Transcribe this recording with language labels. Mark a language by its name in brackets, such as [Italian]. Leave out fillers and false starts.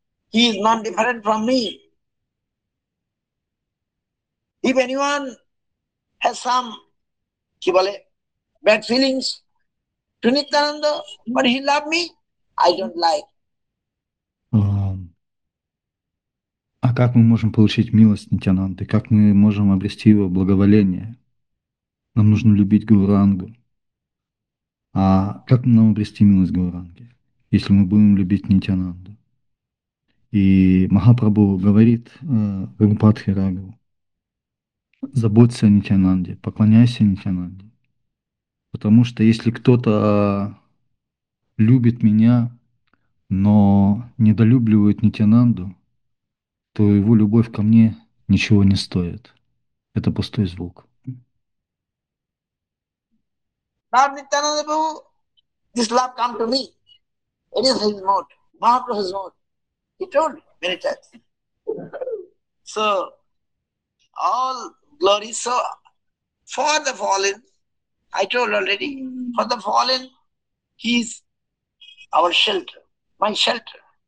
[English] He is not different from me. If anyone has some, [Bangla] ki bale, [English] bad feelings, to Nityananda, but he loved me, I don't like. [Russian] А как мы можем получить милость Нитянанды? Как мы можем обрести его благоволение? Нам нужно любить Гаурангу. А как нам обрести милость Гауранги, если мы будем любить Нитянанду? И Махапрабху говорит Рагхупатхи Рагаву, заботься о Нитянанде, поклоняйся Нитянанде. Потому что если кто-то любит меня, но недолюбливает Нитянанду, то его любовь ко мне ничего не стоит. Это пустой звук. [English] Love Nityananda Prabhu, this love come to me. It is his mode. Mahaprabhu his mode. He told many times. So, all glory. So, for the fallen, I told already, for the fallen, he is our shelter, my shelter.